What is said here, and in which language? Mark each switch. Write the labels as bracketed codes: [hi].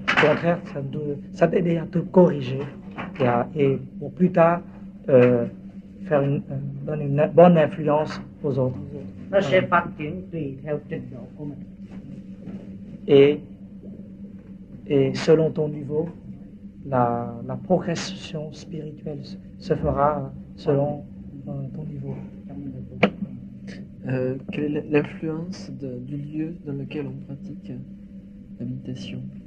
[fr] Au contraire, ça t'aide à te corriger et pour plus tard faire donner une bonne influence aux autres. [vi] Nó sẽ phát triển tùy theo trình độ của mình. [fr] Et selon ton niveau, la progression spirituelle se fera selon ton niveau. Quelle est l'influence du lieu dans lequel on pratique la méditation?